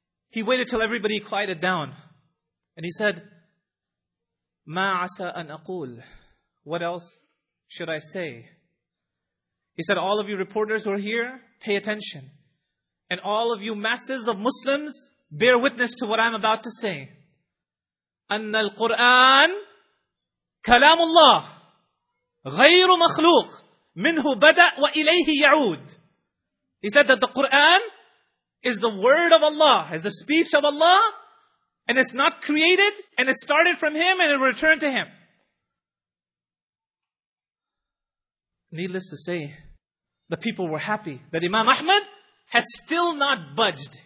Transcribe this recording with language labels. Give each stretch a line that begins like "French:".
English: He waited till everybody quieted down. And he said,
Arabic: Ma asa an aqul.
English: What else should I say? He said, all of you reporters who are here, pay attention. And all of you masses of Muslims, bear witness to what I'm about to say.
Arabic: أن القرآن كلام الله غير مخلوق منه بدأ وإليه يعود.
English: He said that the Quran is the word of Allah, is the speech of Allah, and it's not created, and it started from Him, and it returned to Him. Needless to say, the people were happy that Imam Ahmad has still not budged.